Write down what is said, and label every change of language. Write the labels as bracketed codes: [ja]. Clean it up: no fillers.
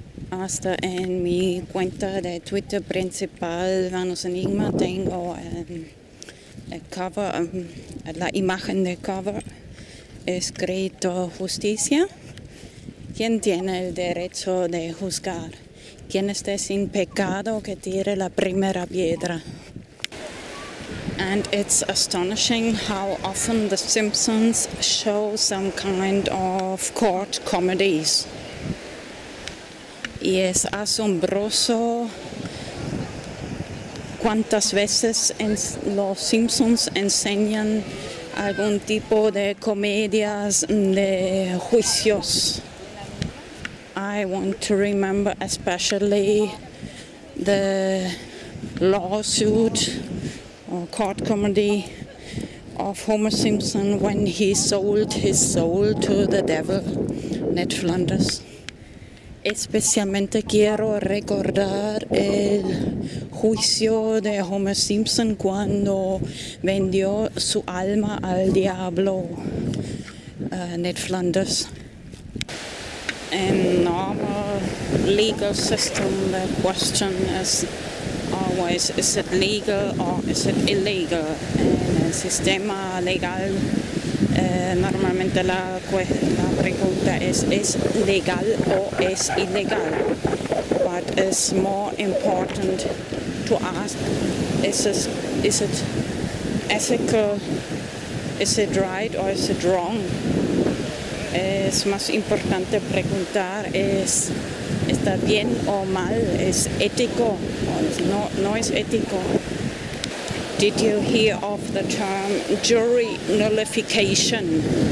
[es] Hasta en mi cuenta de Twitter principal, Vanos Enigma, tengo el cover, la imagen de cover, escrito justicia. ¿Quién tiene el derecho de juzgar? ¿Quién esté sin pecado que tire la primera piedra? [en] And it's astonishing how often The Simpsons show some kind of court comedies. [es] Y es asombroso cuántas veces los Simpsons enseñan algún tipo de comedias de juicios. [en] I want to remember especially the lawsuit or court comedy of Homer Simpson when he sold his soul to the devil, Ned Flanders. [es] Especialmente quiero recordar el juicio de Homer Simpson cuando vendió su alma al diablo, Ned Flanders. [en] In normal legal system, the question is always, is it legal or is it illegal? [es] En el sistema legal, normalmente la pregunta es legal o es ilegal? [en] But it's more important to ask, is it ethical? Is it right or is it wrong? [es] Es más importante preguntar, ¿está bien o mal? ¿Es ético o no es ético? [en] Did you hear of the term jury nullification?